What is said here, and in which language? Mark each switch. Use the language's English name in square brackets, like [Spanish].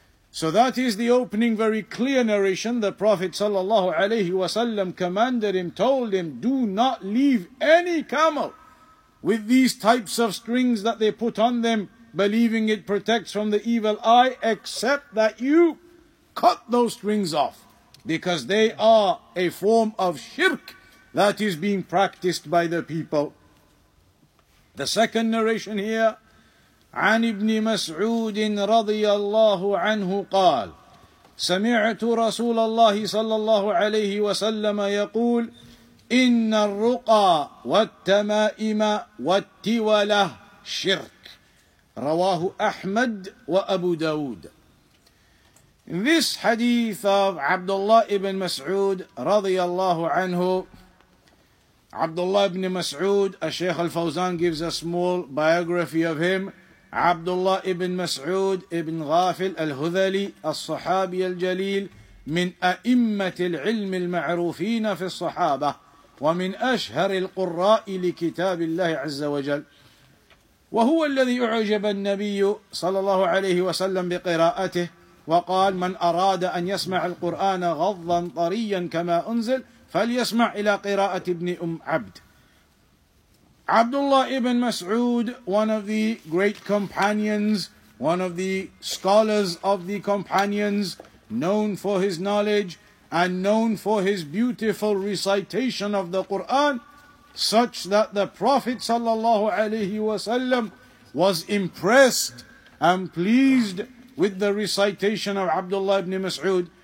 [English] So that is the opening, very clear narration. The Prophet sallallahu alayhi wa sallam commanded him, told him, do not leave any camel with these types of strings that they put on them, believing it protects from the evil eye, except that you cut those strings off, because they are a form of shirk that is being practiced by the people. The second narration here, [Arabic] عن ابن مسعود رضي الله عنه قال سمعت رسول الله صلى الله عليه وسلم يقول إن الرقى والتمائم والتولة شرك رواه أحمد وأبو داود. [English] In this hadith of [Arabic] Abdullah ibn Mas'ud radiyallahu anhu, Abdullah ibn Mas'ud, as Shaykh al-Fawzan gives a small biography of him, Abdullah ibn Mas'ud ibn Ghafil al-Hudhali al-Sahabi al-Jalil min a'immat al-ilm al-ma'rufin fi al-Sahaba wa min ashhar al-qurra'i li-kitab Allah azza wa jal. وهو الذي أعجب النبي صلى الله عليه وسلم بقراءته وقال من أراد أن يسمع القرآن غضا طريا كما أنزل فليسمع إلى قراءة ابن عبد. [English] Abdullah ibn Mas'ud, one of the great companions, one of the scholars of the companions, known for his knowledge and known for his beautiful recitation of the Quran, such that the Prophet sallallahu alayhi wa sallam was impressed and pleased with the recitation of Abdullah ibn Mas'ud.